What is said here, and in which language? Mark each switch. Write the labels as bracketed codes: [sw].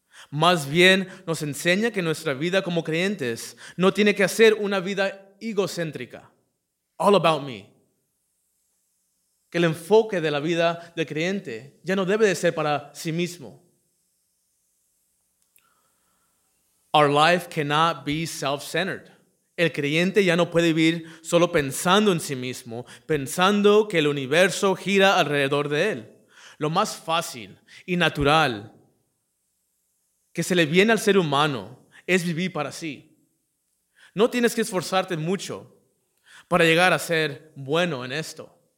[es] Más bien, nos enseña que nuestra vida como creyentes no tiene que ser una vida egocéntrica. [en] All about me. [es] Que el enfoque de la vida del creyente ya no debe de ser para sí mismo. [en] Our life cannot be self-centered. [es] El creyente ya no puede vivir solo pensando en sí mismo, pensando que el universo gira alrededor de él. Lo más fácil y natural que se le viene al ser humano es vivir para sí. No tienes que esforzarte mucho para llegar a ser bueno en esto.